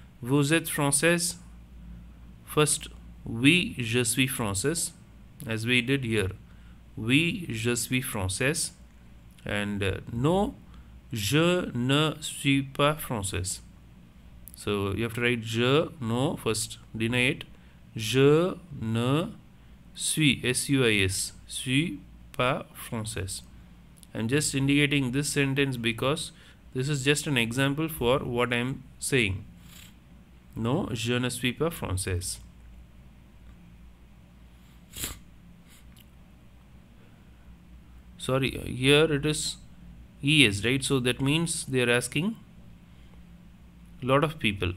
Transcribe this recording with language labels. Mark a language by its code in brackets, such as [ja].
[fr] Vous êtes française. First, oui, je suis française. [en] As we did here. [fr] Oui, je suis française. [en] And no, [fr] je ne suis pas français. [en] So you have to write je, no, first, deny it. [fr] Je ne suis, S-U-I-S, suis pas français. [en] I'm just indicating this sentence because this is just an example for what I'm saying. [fr] No, je ne suis pas français. [en] Sorry, here it is ES, right? So that means they are asking lot of people.